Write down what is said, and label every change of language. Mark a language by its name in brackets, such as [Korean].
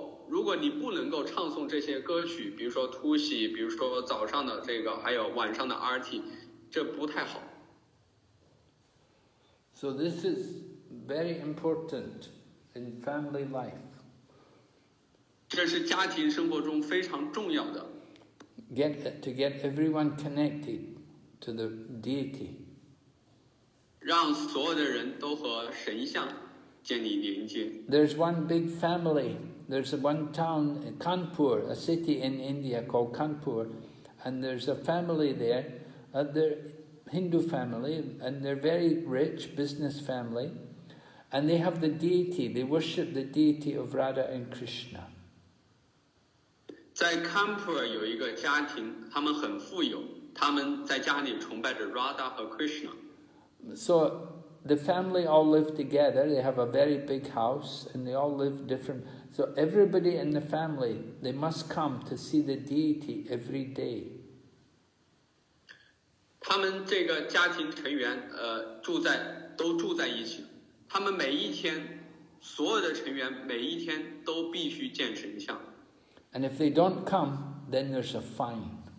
[Chinese] 如果你不能够唱诵这些歌曲，比如说突袭，比如说早上的这个，还有晚上的 RT， 这不太好。 [English] So this is very important in family life. [Chinese] 这是家庭生活中非常重要的。 [English] To get everyone connected to the deity. [Chinese] 让所有的人都和神像。 [English] There's one big family there's one town, Kanpur, a city in India called Kanpur, and there's a family there, they're Hindu family, and they're very rich business family, and they have the deity, they worship the deity of Radha and Krishna. [Chinese] 在 Kanpur 有一个家庭，他们很富有，他们在家里崇拜着 Radha 和 Krishna. [English] So the family all live together, they have a very big house, and they all live different. So everybody in the family, they must come to see the deity every day. [Chinese] 他们这个家庭成员，都住在一起，他们每一天，所有的成员每一天都必须见神像。 [English] And if they don't come, then there's a fine.